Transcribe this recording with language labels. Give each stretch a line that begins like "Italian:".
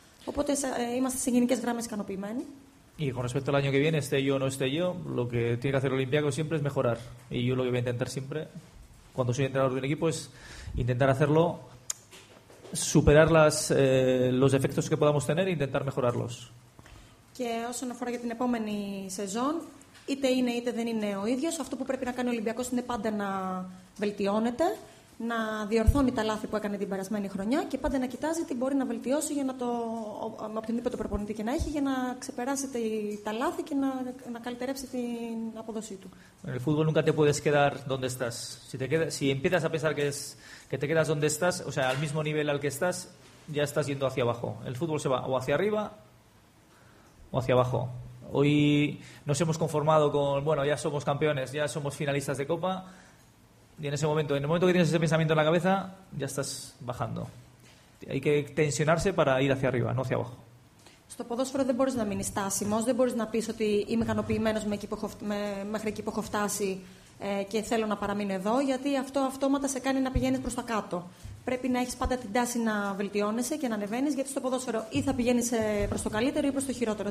Greek: Οπότε είμαστε σε γενικές γραμμές ικανοποιημένοι.
Spanish: Y con respecto al año que viene, esté yo o no esté yo, lo que tiene que hacer el Olympiacos siempre es mejorar. Y yo lo que voy a intentar siempre, cuando soy entrenador de un equipo, es intentar hacerlo, superar los defectos que podamos tener e intentar mejorarlos.
Greek: Και όσον αφορά για την επόμενη σεζόν, είτε είναι είτε δεν είναι ο ίδιος, αυτό που πρέπει να κάνει ο Ολυμπιακός είναι πάντα να βελτιώνεται, να διορθώνει τα λάθη που έκανε την περασμένη χρονιά και πάντα να κοιτάζει τι μπορεί να βελτιώσει για να το, με οποιονδήποτε προπονητή και να έχει, για να ξεπεράσει τα λάθη και να καλυτερέψει την αποδοσή του.
Spanish: En el fútbol nunca te puedes quedar donde estás. Si empiezas a pensar que te quedas donde estás, o sea, al mismo nivel al que estás, ya estás yendo hacia abajo. El fútbol se va o hacia arriba o hacia abajo. Hoy nos hemos conformado con, bueno, ya somos campeones, ya somos finalistas de Copa. Y en el momento que tienes ese pensamiento en la cabeza, ya estás bajando. Hay que tensionarse para ir hacia arriba, no hacia abajo.
Greek: Στο ποδόσφαιρο δεν μπορείς να μείνεις στάσιμος, δεν μπορείς να πεις ότι είμαι ικανοποιημένος μέχρι εκεί που έχω φτάσει και θέλω να παραμείνω εδώ, γιατί αυτό αυτόματα σε κάνει να πηγαίνεις προς τα κάτω. πρέπει να έχεις πάντα την τάση να βελτιώνεσαι και να ανεβαίνεις, γιατί στο ποδόσφαιρο ή θα πηγαίνεις προς το καλύτερο ή προς το χειρότερο.